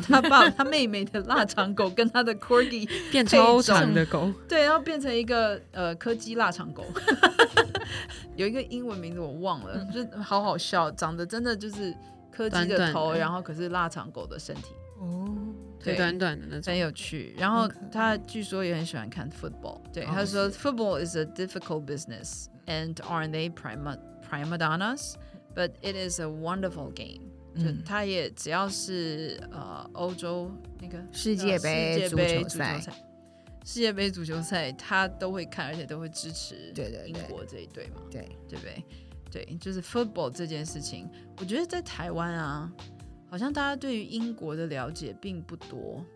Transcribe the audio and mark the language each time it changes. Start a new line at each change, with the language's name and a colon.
Chinese: 他爸他妹妹的腊肠狗跟他的 Corgi 变超长的狗，对，然后变成一个柯基腊肠狗有一个英文名字我忘了，就好好笑，长得真的就是柯基的头，短短的，然后可是腊肠狗的身体，哦，对，短短的那种，很有趣。然后他据说也很喜欢看 football， 对，他说
English: football is a difficult business， and aren't they primadonnas？ But it is a wonderful game。
Chinese: 就他也只要是欧洲那个世界杯足球赛。世界杯足球赛他都会看，而且都会支持英国这一队嘛，对对对对，就是 football 这件事情我觉得在台湾啊好像大家对于英国的了解并不多，